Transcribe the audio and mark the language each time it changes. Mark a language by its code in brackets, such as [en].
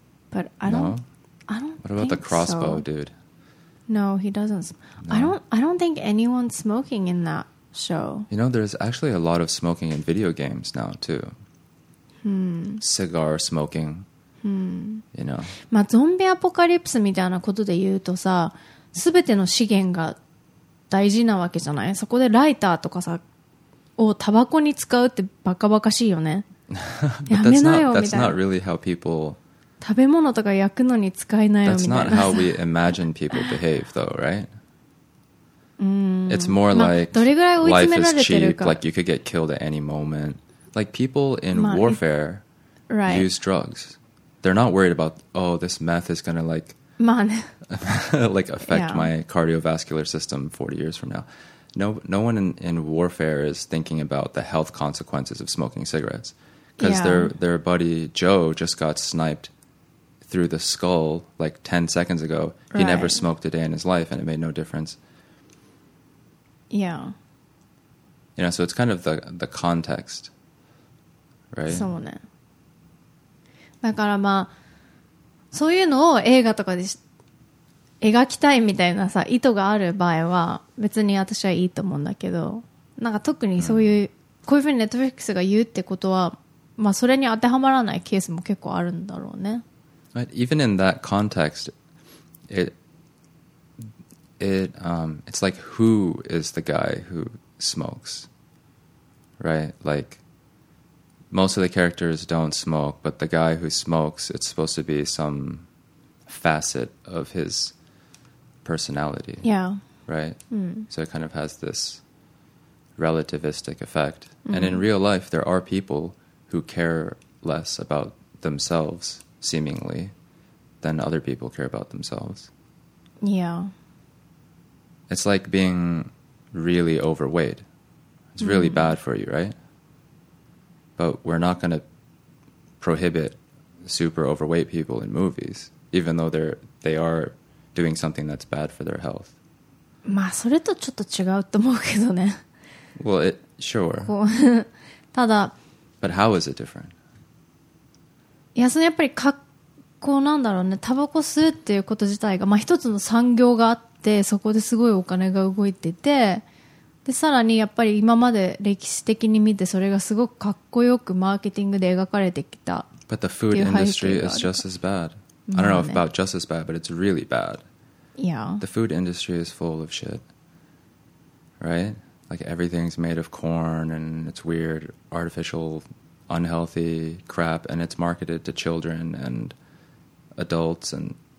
[en] But I don't, no? I don't What about think the crossbow so. Dude? No, he doesn't. No. I don't think anyone's smoking in that show. You know, there's actually a lot of smoking in video games now too. Cigar smoking. You know. [ja] まあ、ゾンビアポカリプスみたいなことで言うとさ、すべての資源が大事なわけじゃない? そこでライターとかさ、をタバコに使うってバカバカしいよね。やめなよみたいな。 [en] That's not really how people... [ja] 食べ物とか焼くのに使えないよみたいな。 [en] That's not how we imagine people behave though, right? It's more like、 [ja] まあ、どれぐらい追い詰められてるか。 [en] Life is cheap, like you could get killed at any moment. Like people in warfare right. use drugs. They're not worried about, oh, this meth is going to like, like affect、yeah. my cardiovascular system 40 years from now. No one in warfare is thinking about the health consequences of smoking cigarettes. Because、yeah. their buddy Joe just got sniped through the skull like 10 seconds ago. He、right. never smoked a day in his life and it made no difference. Yeah. You know, so it's kind of the context. Right. [ja] そうね。だからまあそういうのを映画とかで描きたいみたいなさ意図がある場合は別に私はいいと思うんだけど、なんか特にそういう、うん、こういうふうに Netflix が言うってことは、まあそれに当てはまらないケースも結構あるんだろうね。 [en] But even in that context, it's like who is the guy who smokes, right? Like. Most of the characters don't smoke, but the guy who smokes, it's supposed to be some facet of his personality. Yeah. Right? Mm. So it kind of has this relativistic effect. Mm-hmm. And in real life, there are people who care less about themselves, seemingly, than other people care about themselves. Yeah. It's like being really overweight. It's really bad for you, right? But we're not going to prohibit super overweight people in movies, even though they are doing something that's bad for their health. [ja] まあそれとちょっと違うと思うけどね。 [en] Well, it, sure. [ja] ただ。 [en] But how is it different? [ja] いや、そのやっぱり格好なんだろうね。タバコ吸うっていうこと自体が、まあ一つの産業があって、そこですごいお金が動いてて、でさらにやっぱり今まで歴史的に見てそれがすごくかっこよくマーケティングで描かれてきた。 [en] But the food industry is just as bad. I don't know if about just as bad, but it's really bad. Yeah. The food industry is full of shit. Right? Like everything's made of corn and it's weird, artificial, unhealthy crap and it's marketed to children and adults and...